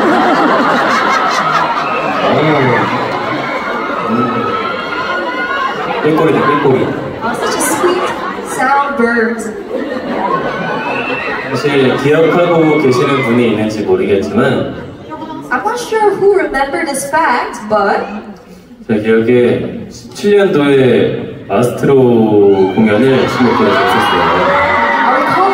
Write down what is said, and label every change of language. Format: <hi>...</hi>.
<ko>Oh, 삐꼬리.</ko> <en>Such a sweet sound birds.</en> <ko>사실 기억하고 계시는 분이 있는지 모르겠지만</ko> <en>I'm not sure who remembered this fact, but</en> <ko>제 기억에 17년도에 아스트로 공연을 신곡으로 했었어요.</ko>